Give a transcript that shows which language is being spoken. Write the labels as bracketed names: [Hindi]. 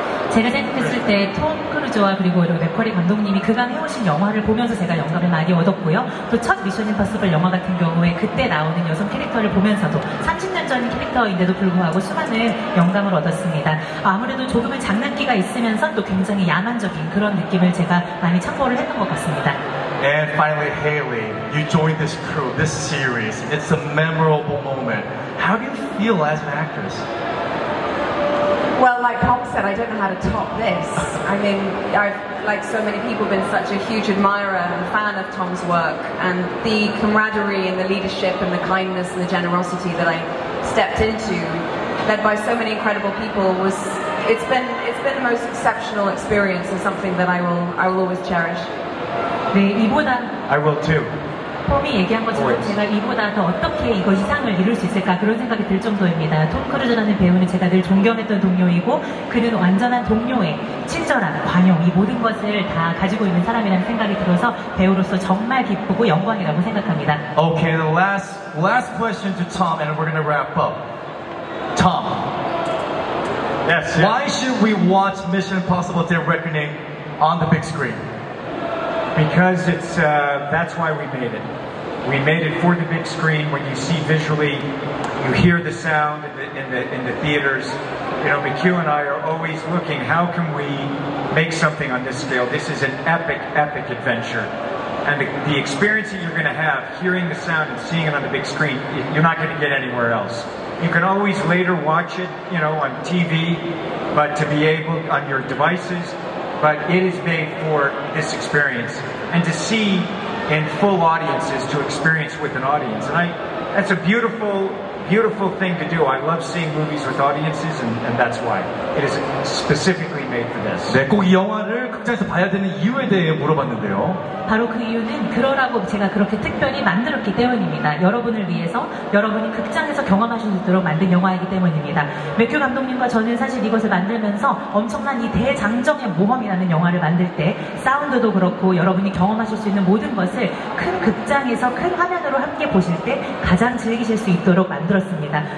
[Korean] 제가 생각했을 때 톰 크루즈와 그리고 여러 맥커리 감독님이 그간 해오신 영화를 보면서 제가 영감을 많이 얻었고요. 또 첫 미션 임파서블 영화 같은 경우에 그때 나오는 여성 캐릭터를 보면서도 30년 전 캐릭터인데도 불구하고 수많은 영감을 얻었습니다. 아무래도 조금의 장난기가 있으면서 또 굉장히 야만적인 그런 느낌을 제가 많이 참고를 했던 것 같습니다. [English] And finally, Hayley, you joined this crew, this series. It's a memorable moment. How do you feel as an actress? Well, like Tom said, I don't know how to top this. I mean, I've, like so many people, been such a huge admirer and fan of Tom's work, and the camaraderie and the leadership and the kindness and the generosity that I stepped into, led by so many incredible people, was, it's been the most exceptional experience and something that I will always cherish. I will too. [Korean] 톰이 얘기한 것처럼 제가 이보다 더 어떻게 이거 이상을 이룰 수 있을까 그런 생각이 들 정도입니다. 톰 크루즈라는 배우는 제가 늘 존경했던 동료이고 그는 완전한 동료의 친절함, 관용 이 모든 것을 다 가지고 있는 사람이라는 생각이 들어서 배우로서 정말 기쁘고 영광이라고 생각합니다. [English] Okay, the last question to Tom and we're gonna wrap up. Tom. Yes. Why should we watch Mission Impossible Dead Reckoning on the big screen? Because that's why we made it. We made it for the big screen when you see visually, you hear the sound in the theaters. You know, McHugh and I are always looking, how can we make something on this scale? This is an epic, epic adventure. And the experience that you're gonna have, hearing the sound and seeing it on the big screen, you're not gonna get anywhere else. You can always later watch it, you know, on TV, but to be able, on your devices, but it is made for this experience. And to see in full audiences, to experience with an audience. And that's a beautiful, beautiful thing to do. I love seeing movies with audiences, and that's why. It is specifically made for this. [Korean] 네, 꼭 이 영화를 극장에서 봐야 되는 이유에 대해 물어봤는데요. 바로 그 이유는 그러라고 제가 그렇게 특별히 만들었기 때문입니다. 여러분을 위해서 여러분이 극장에서 경험하실 수 있도록 만든 영화이기 때문입니다. 맥큐 감독님과 저는 사실 이것을 만들면서 엄청난 이 대장정의 모험이라는 영화를 만들 때 사운드도 그렇고 여러분이 경험하실 수 있는 모든 것을 큰 극장에서 큰 화면으로 함께 보실 때 가장 즐기실 수 있도록 만들었습니다.